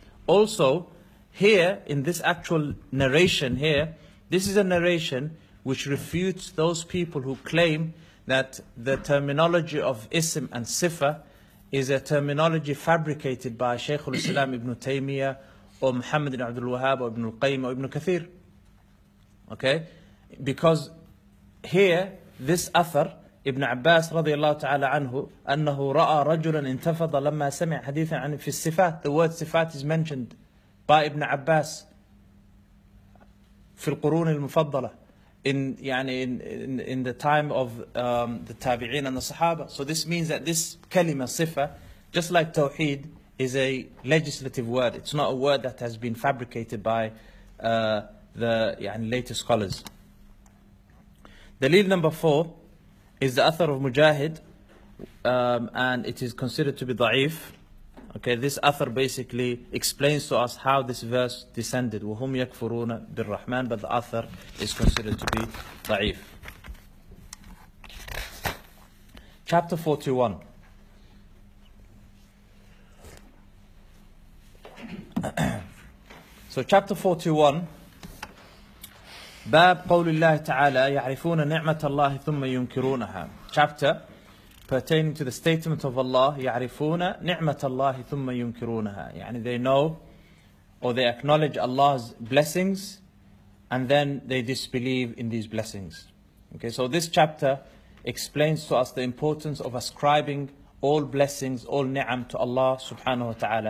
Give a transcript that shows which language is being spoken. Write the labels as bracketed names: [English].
[English] Also, here, in this actual narration here, this is a narration which refutes those people who claim that the terminology of ism and sifa is a terminology fabricated by Shaykh al-Islam ibn Taymiyyah or Muhammad ibn Abdul Wahhab or ibn al-Qayyim or ibn al-Kathir. Okay? Because here, this author, [Arabic] Ibn Abbas رضي الله تعالى عنه, أنه رأى رجلا انتفض لما سمع حديثا عن في الصفات. [English] The word sifat is mentioned by Ibn Abbas [Arabic] في القرون المفضلة, [English] in the time of the tabi'in and the sahaba. So this means that this kalima, sifa, just like tawheed, is a legislative word. It's not a word that has been fabricated by later scholars. Dalil number four is the author of Mujahid, and it is considered to be da'if. Okay, this author basically explains to us how this verse descended. [Arabic] وَهُمْ يَكْفُرُونَ بِالرَّحْمَنِ. [English] But the author is considered to be da'if. Chapter 41. So chapter 41, [Arabic] باب قول الله تعالى يعرفون نعمة الله ثم ينكرونها. [English] Chapter pertaining to the statement of Allah, [Arabic] يعرفون نعمة الله ثم ينكرونها. [English] يعني they know or they acknowledge Allah's blessings and then they disbelieve in these blessings. Okay, so this chapter explains to us the importance of ascribing all blessings, all ni'am to Allah subhanahu wa ta'ala.